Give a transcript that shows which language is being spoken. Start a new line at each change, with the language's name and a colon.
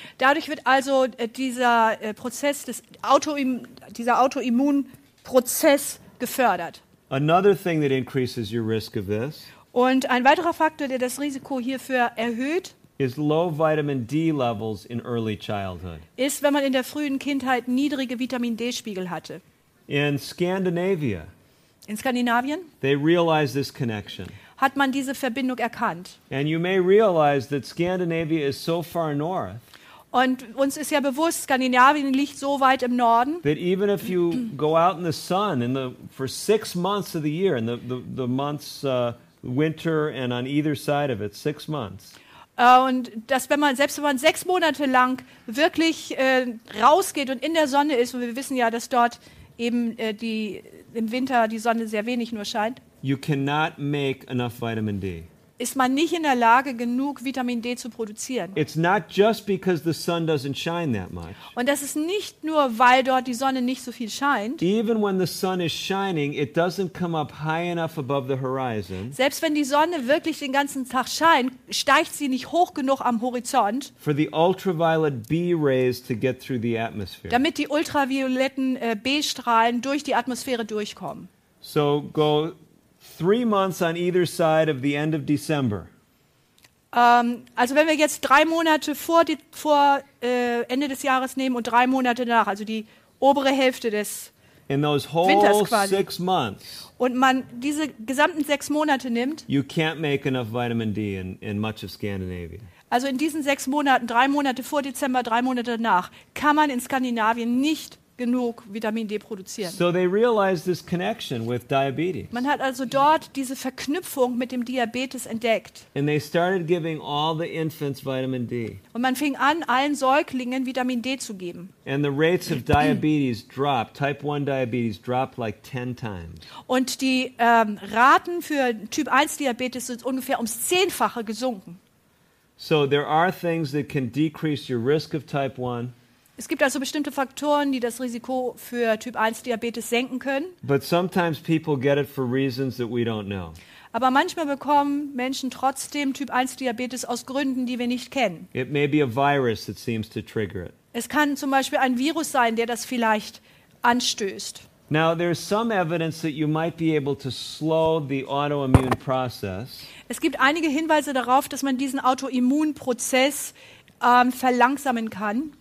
German: Dadurch wird also dieser Autoimmunprozess gefördert.
English: Another thing that increases your risk of this.
German: Und ein weiterer Faktor, der das Risiko hierfür erhöht,
English: is low vitamin D levels in early childhood.
German: Ist, wenn man in der frühen Kindheit niedrige Vitamin D-Spiegel hatte.
English: In Scandinavia.
German: In Skandinavien.
English: They realize this connection.
German: Hat man diese Verbindung erkannt.
English: And you may realize that Scandinavia is so far north.
German: Und uns ist ja bewusst, Skandinavien liegt so weit im Norden.
English: That even if you go out in the sun in the for six months of the year, in the months winter and on either side of it, 6 months.
German: Und dass wenn man selbst wenn man 6 Monate lang wirklich rausgeht und in der Sonne ist, und wir wissen ja, dass dort eben die im Winter die Sonne sehr wenig nur scheint,
English: you cannot make enough vitamin D.
German: Ist man nicht in der Lage, genug Vitamin D zu produzieren.
English: It's not just because the sun doesn't shine that much.
German: Und das ist nicht nur, weil dort die Sonne nicht so viel scheint.
English: Even when the sun is shining, it doesn't come up high enough above the horizon.
German: Selbst wenn die Sonne wirklich den ganzen Tag scheint, steigt sie nicht hoch genug am Horizont.
English: For the ultraviolet B rays to get through the atmosphere.
German: Damit die ultravioletten B-Strahlen durch die Atmosphäre durchkommen.
English: So go 3 months on either side of the end of December.
German: Also wenn wir jetzt 3 Monate vor Ende des Jahres nehmen und 3 Monate nach, also die obere Hälfte des Winters quasi.
English: 6 months,
German: und man diese gesamten 6 Monate nimmt.
English: You can't make enough vitamin D in much of Scandinavia.
German: Also in diesen 6 Monaten, 3 Monate vor Dezember, 3 Monate nach, kann man in Skandinavien nicht genug Vitamin D produzieren.
English: So they realize this connection with diabetes.
German: Man hat also dort diese Verknüpfung mit dem Diabetes entdeckt.
English: And they started giving all the infants vitamin D.
German: Und man fing an, allen Säuglingen Vitamin D zu geben.
English: And the rates of diabetes dropped. Type 1 diabetes dropped like 10 times.
German: Und die Raten für Typ 1 Diabetes sind ungefähr ums Zehnfache gesunken.
English: So there are things that can decrease your risk of type 1.
German: Es gibt also bestimmte Faktoren, die das Risiko für Typ 1 Diabetes senken können.
English: But sometimes people get it for reasons that we don't know.
German: Aber manchmal bekommen Menschen trotzdem Typ 1 Diabetes aus Gründen, die wir nicht kennen.
English: It may be a virus that seems to trigger it.
German: Es kann zum Beispiel ein Virus sein, der das vielleicht anstößt.
English: Now there's some evidence that you might be able to slow the autoimmune process.
German: Es gibt einige Hinweise darauf, dass man diesen Autoimmunprozess verlangsamen kann.